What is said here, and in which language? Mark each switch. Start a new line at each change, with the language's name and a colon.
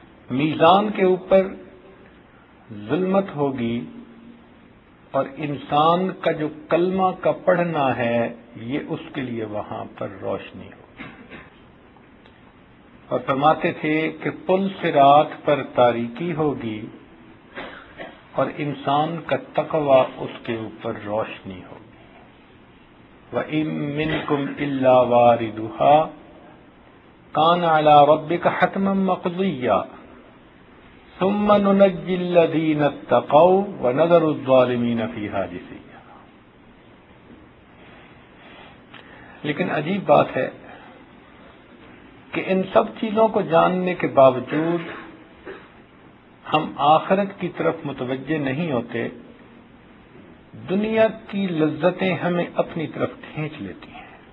Urdu: میزان کے اوپر ظلمت ہوگی اور انسان کا جو کلمہ کا پڑھنا ہے یہ اس کے لیے وہاں پر روشنی ہوگی. اور فرماتے تھے کہ پل صراط پر تاریکی ہوگی اور انسان کا تقوی اس کے اوپر روشنی ہوگی.
Arabic: وَإِن مِّنكُمْ إِلَّا وَارِدُهَا كَانَ عَلَىٰ رَبِّكَ حَتْمًا مَّقْضِيًّا ثم ننجي الذين اتقوا ونذر الظالمين فيها جثيا.
Urdu: لیکن عجیب بات ہے کہ ان سب چیزوں کو جاننے کے باوجود ہم آخرت کی طرف متوجہ نہیں ہوتے, دنیا کی لذتیں ہمیں اپنی طرف کھینچ لیتی ہیں.